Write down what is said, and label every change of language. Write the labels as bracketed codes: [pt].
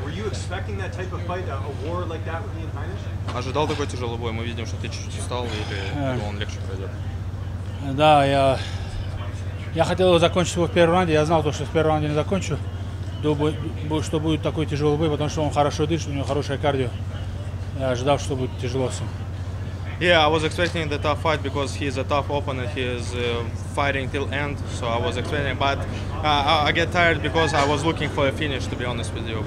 [en] Were you expecting that type of fight, a war like that with Ian Heinisch? [ru] Ожидал такой тяжелый бой. Мы видим, что ты чуть-чуть устал, и ты думал, он легче пройдет. Да, я хотел закончить его в первом раунде. Я знал, что в первом раунде не закончу, что будет такой тяжелый бой, потому что он хорошо дышит, у него хорошее кардио. Я ожидал, что будет тяжело с ним. [en] Yeah, I was expecting the tough fight because he is a tough opponent. He is fighting till end, so I was expecting. But I get tired because I was looking for a finish, to be honest with you.